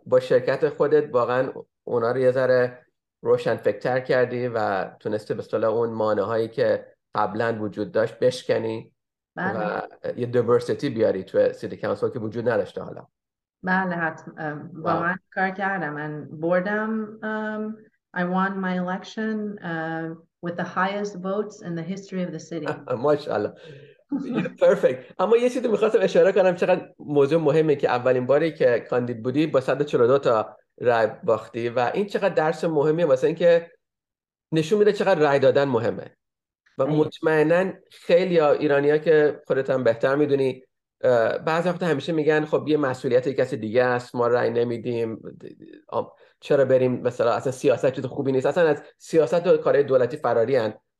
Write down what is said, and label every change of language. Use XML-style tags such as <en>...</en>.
<fa>با شرکت خودت واقعا اونا رو یه ذره روشن فکر کردی و تونستی به اصطلاح اون مانه هایی که قبلا وجود داشت بشکنی و بله یه دیورسیتی بیاری تو سیتی کانسل که وجود نداشته حالا. بله حتما با واو. من کار کردم. من بردم.</fa> <en>I won my election with the highest votes in the history of the city.</en> <fa>ماشاءالله. پرفکت. اما یه چیزی میخواستم اشاره کنم، چقدر موضوع مهمه که اولین باری که کاندید بودی با 142 تا رای باختی و این چقدر درس مهمیه واسه اینکه نشون میده چقدر رای دادن مهمه. و مطمئنن خیلی ها، ایرانی ها که خودت هم بهتر میدونی، بعضی وقتا همیشه میگن خب یه مسئولیت کسی دیگه است، ما رای نمیدیم، چرا بریم مثلا، اصلا سیاست چیز خوبی نیست، اصلا از سیاست و کارهای دولتی فراری هن.</fa>